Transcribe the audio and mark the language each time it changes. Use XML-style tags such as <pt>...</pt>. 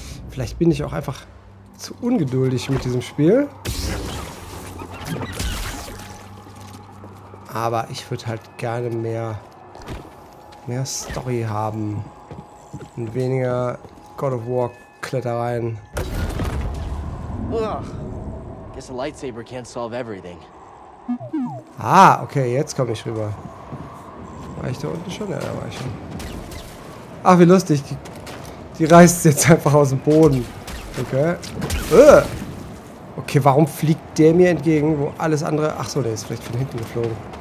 <de>Vielleicht bin ich auch einfach zu ungeduldig mit diesem Spiel. Aber ich würde halt gerne mehr Story haben. Und weniger God of War Klettereien. Ugh.</de> <en>Guess a lightsaber can't solve everything.</en> <de>Ah, okay, jetzt komme ich rüber. War ich da unten schon? Ja, da war ich schon. Ach, wie lustig. Die reißt jetzt einfach aus dem Boden. Okay. Okay, warum fliegt der mir entgegen, wo alles andere... Ach so, der ist vielleicht von hinten geflogen.</de>